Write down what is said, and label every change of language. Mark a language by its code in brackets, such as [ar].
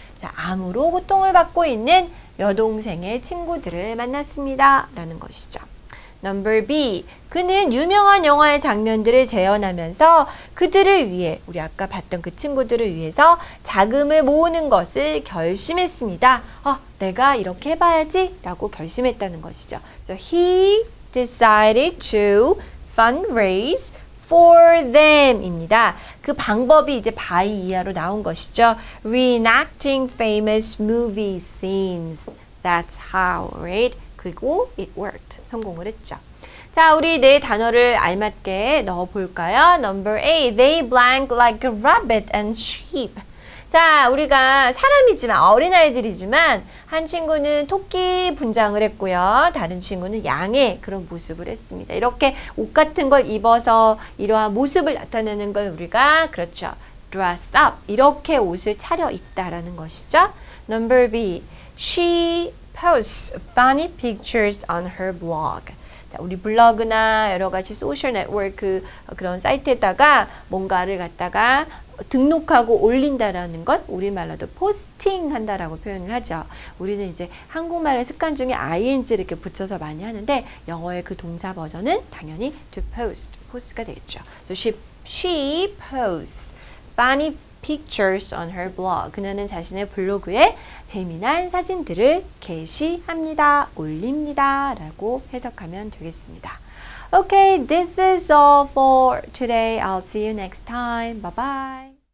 [ko] 자, 암으로 고통을 받고 있는 여동생의 친구들을 만났습니다. 라는 것이죠. [en] Number B. [ko] 그는 유명한 영화의 장면들을 재현하면서 그들을 위해, 우리 아까 봤던 그 친구들을 위해서 자금을 모으는 것을 결심했습니다. 내가 이렇게 해봐야지 라고 결심했다는 것이죠. [en] So he decided to fundraise for them [ko] 입니다. 그 방법이 이제 by 이하로 나온 것이죠. [en] Reenacting famous movie scenes. That's how, right? [ko] 그리고 [en] it worked. [ko] 성공을 했죠. 자, 우리 네 단어를 알맞게 넣어볼까요? [en] Number A. They blank like a rabbit and sheep. [ko] 자, 우리가 사람이지만, 어린아이들이지만 한 친구는 토끼 분장을 했고요. 다른 친구는 양의 그런 모습을 했습니다. 이렇게 옷 같은 걸 입어서 이러한 모습을 나타내는 걸 우리가 그렇죠. [en] Dress up. [ko] 이렇게 옷을 차려입다라는 것이죠. [en] Number B. She posts funny pictures on her blog. [ko] 자, 우리 블로그나 여러 가지 소셜 네트워크 그런 사이트에다가 뭔가를 갖다가 등록하고 올린다라는 것, 우리말로도 포스팅 한다라고 표현을 하죠. 우리는 이제 한국말의 습관 중에 ing를 이렇게 붙여서 많이 하는데 영어의 그 동사 버전은 당연히 to post, post가 되겠죠. [en] So she posts funny pictures on her blog. [ko] 그녀는 자신의 블로그에 재미난 사진들을 게시합니다. 올립니다 라고 해석하면 되겠습니다. [en] Okay, this is all for today. I'll see you next time. Bye-bye.